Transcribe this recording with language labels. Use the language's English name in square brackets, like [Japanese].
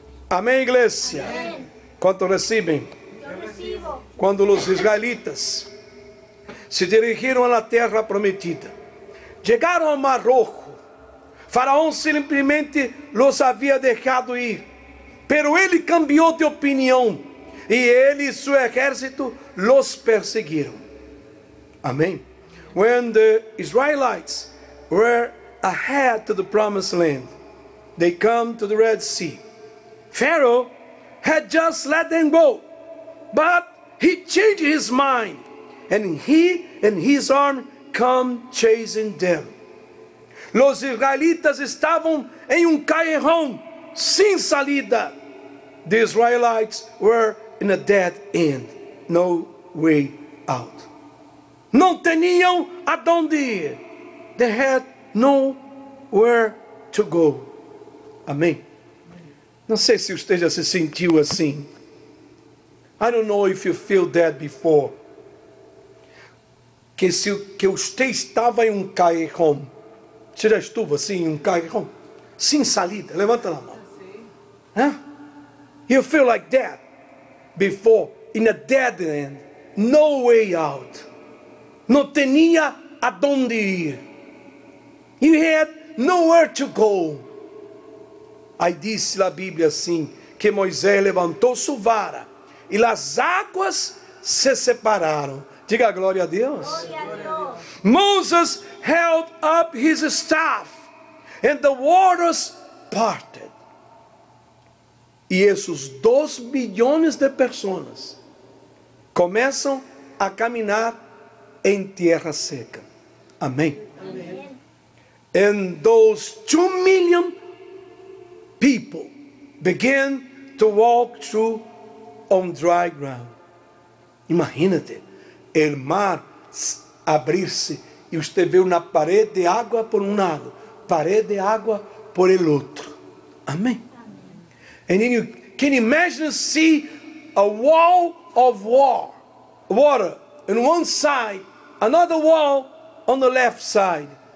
[Portuguese] Amém, igreja? Quanto recebem? Quando os israelitas se dirigiram à terra prometida, chegaram ao Mar Rojo, Faraó simplesmente os havia deixado ir. Pero ele cambiou de opinião e ele e seu exército los perseguiram. Amém. [English] When the Israelites were ahead to the promised land, they come to the Red Sea. Pharaoh had just let them go, but he changed his mind and he and his army come chasing them. [Portuguese] Los israelitas estavam em callejão sem salida. [English] The Israelites were in a dead end. No way out. [Portuguese] Não tinham aonde ir. [English] They had nowhere to go. [Portuguese] Amém. Não sei se você já se sentiu assim. [English] I don't know if you feel that before. [Portuguese] Que você estava em um caixão. Você já estuvo assim em um caixão? Sem saída. Levanta a mão. [English] You feel like that before, in a dead end, no way out. [Portuguese] Não tinha aonde ir. [English] You had nowhere to go. [Portuguese] Aí disse a Bíblia assim, que Moisés levantou sua vara e as águas se separaram. Diga glória a Deus. [English] Moses held up his staff and the waters parted. [Portuguese] E esses 2 milhões de pessoas começam a caminhar em terra seca. Amém. Amém. [English] And those 2 million people begin to walk through on dry ground. [Portuguese] Imagina-te, o mar abrir-se e você vê uma parede de água por um lado, parede de água por el outro. Amém. Amém. [English] And then you can imagine see a wall of water on one side, another wall on the left side.